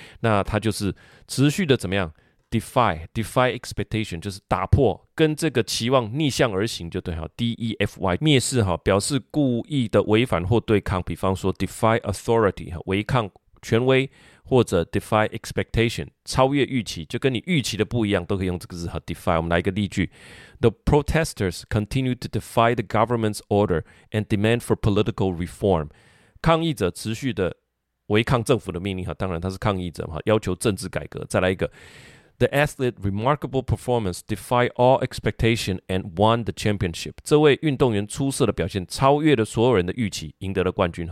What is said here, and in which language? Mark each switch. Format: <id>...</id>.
<zh>那它就是持续的怎么样</zh> <en>defy expectation，</en> <zh>就是打破跟这个期望逆向而行就对， defy 蔑视，表示故意的违反或对抗，比方说</zh> <en>defy authority</en> <zh>违抗权威，或者</zh> <en>defy expectation</en> <zh>超越预期，就跟你预期的不一样，都可以用这个字 defy。 我们来一个例句，</zh> <en>The protesters continue to defy the government's order and demand for political reform，</en> <zh>抗议者持续的违抗政府的命令，当然他是抗议者，要求政治改革。再来一个，</zh> <en>The athlete's remarkable performance defied all expectation and won the championship.</en> <zh>这位运动员出色的表现超越了所有人的预期，赢得了冠军。</zh>